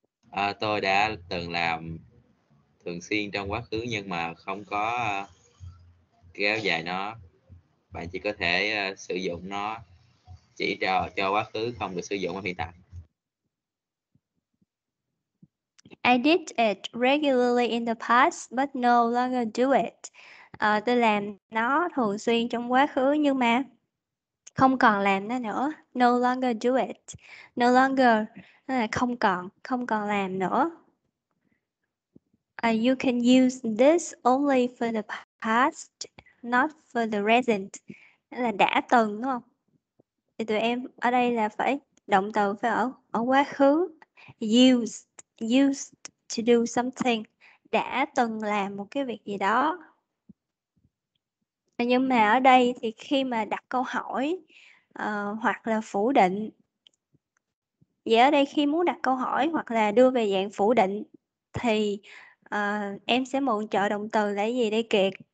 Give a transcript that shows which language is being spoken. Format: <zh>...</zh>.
<vi>À, tôi đã từng làm thường xuyên trong quá khứ nhưng mà không có kéo dài nó. Bạn chỉ có thể sử dụng nó chỉ cho quá khứ, không được sử dụng ở hiện tại.</vi> <en>I did it regularly in the past, but no longer do it.</en> <vi>Tôi làm nó thường xuyên trong quá khứ nhưng mà không còn làm nó nữa.</vi> <en>No longer do it. No longer,</en> <vi>không còn làm nữa.</vi> <en>You can use this only for the past, not for the present.</en> <vi>Là đã từng đúng không? Thì tụi em ở đây là phải động từ phải ở ở quá khứ. Use.</vi> <en>Used to do something,</en> <vi>đã từng làm một cái việc gì đó. Nhưng mà ở đây thì khi mà đặt câu hỏi hoặc là phủ định, vậy ở đây khi muốn đặt câu hỏi hoặc là đưa về dạng phủ định thì em sẽ mượn trợ động từ là gì đây Kiệt?</vi>